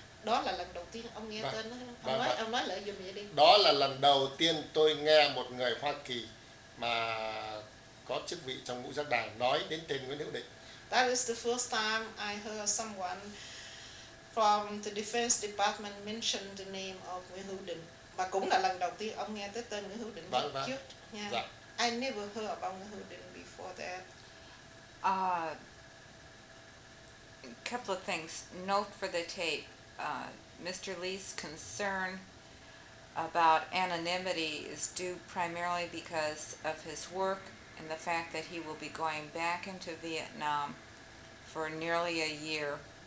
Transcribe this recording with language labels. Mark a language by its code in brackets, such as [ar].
[vi] Đó là lần đầu tiên ông nghe bà, tên. Ông nói lại giùm vậy đi. Đó là lần đầu tiên tôi nghe một người Hoa Kỳ mà có chức vị trong ngũ giác đàn nói đến tên Nguyễn Hữu Định. [en] That is the first time I heard someone from the Defense Department mention the name of Nguyễn Hữu Định. [vi] Và cũng là lần đầu tiên ông nghe tới tên Nguyễn Hữu Định. Vâng, vâng. Yeah. Dạ. [en] I never heard about Nguyễn Hữu Định before that. Couple of things. Note for the tape, Mr. Lee's concern about anonymity is due primarily because of his work and the fact that he will be going back into Vietnam for nearly a year.